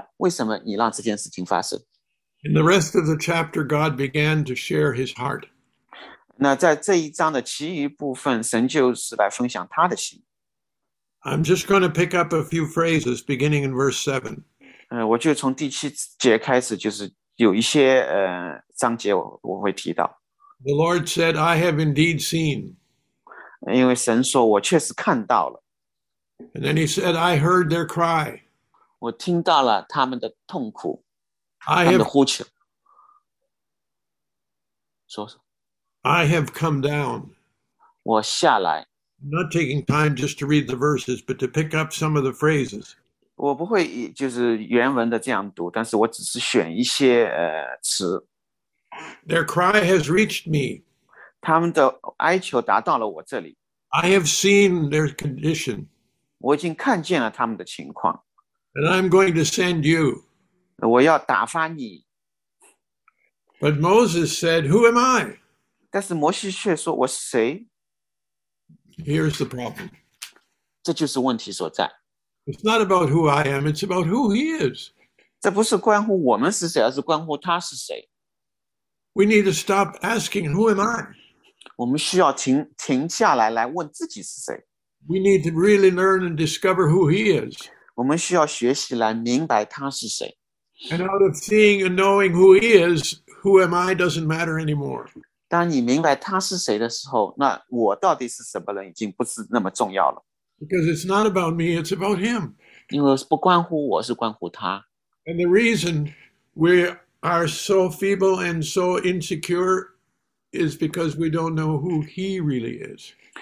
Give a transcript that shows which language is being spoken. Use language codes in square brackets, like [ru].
[zh] 现在当有事情在我们生命中发生时候，我们确实要来问神，这是什么？为什么你让这件事情发生？ [en] In the rest of the chapter, God began to share His heart. [zh] 那在这一章的其余部分，神就是来分享他的心。 [en] I'm just going to pick up a few phrases beginning in verse 7. [zh] 我就从第七节开始，就是有一些章节我会提到。 [en] The Lord said, "I have indeed seen." [zh] 因为神说，我确实看到了。 [en] And then He said, "I heard their cry." [zh] 我听到了他们的痛苦，他们的呼求。说说。 [en] I have come down. [zh] 我下来。 [en] not taking time just to read the verses, but to pick up some of the phrases. [zh] 我不会就是原文的这样读，但是我只是选一些词。 [en] Their cry has reached me. [zh] 他们的哀求达到了我这里。 [en] I have seen their condition. [zh] 我已经看见了他们的情况。 [en] And I'm going to send you. [zh] 我要打发你。 [en] But Moses said, "Who am I?" [zh] 但是摩西却说，我是谁？ [en] Here's the problem. [zh] 这就是问题所在。 [en] It's not about who I am, it's about who he is. [zh] 这不是关乎我们是谁，而是关乎他是谁。 [en] We need to stop asking, who am I? [zh] 我们需要停下来来问自己是谁。 [en] We need to really learn and discover who he is. [zh] 我们需要学习来明白他是谁。 [en] And out of seeing and knowing who he is, who am I doesn't matter anymore. [zh] 当你明白他是谁的时候，那我到底是什么人已经不是那么重要了。 [en] Because it's not about me, it's about him. [zh] 因为不关乎我是关乎他。 [en] And the reason we are so feeble and so insecure is because we don't know who he really is.